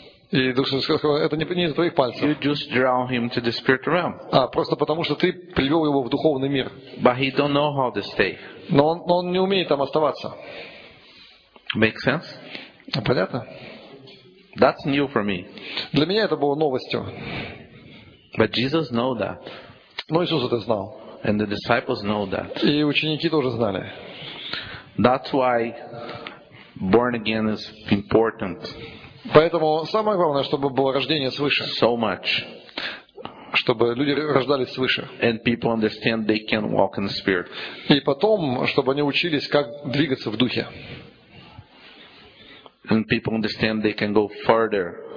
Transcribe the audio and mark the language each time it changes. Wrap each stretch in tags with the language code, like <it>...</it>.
<ru>И Дух Святой сказал, это не из твоих пальцев.</ru> <en>You just draw him to the spiritual realm.</en> <ru>А просто потому, что ты привел его в духовный мир.</ru> <en>But he don't know how to stay.</en> <ru>Но он не умеет там оставаться.</ru> <en>Make sense?</en> <ru>Понятно?</ru> <en>That's new for me.</en> <ru>Для меня это было новостью.</ru> <en>But Jesus know that.</en> <ru>Но Иисус это знал.</ru> <en>And the disciples know that.</en> <ru>И ученики тоже знали.</ru> <en>That's why born again is important.</en> <ru>Поэтому самое главное, чтобы было рождение свыше.</ru> <en>So much.</en> <ru>чтобы люди рождались свыше.</ru> <en>And people understand they can walk in the Spirit.</en> <ru>И потом, чтобы они учились, как двигаться в духе.</ru> <en>And people understand they can go further.</en>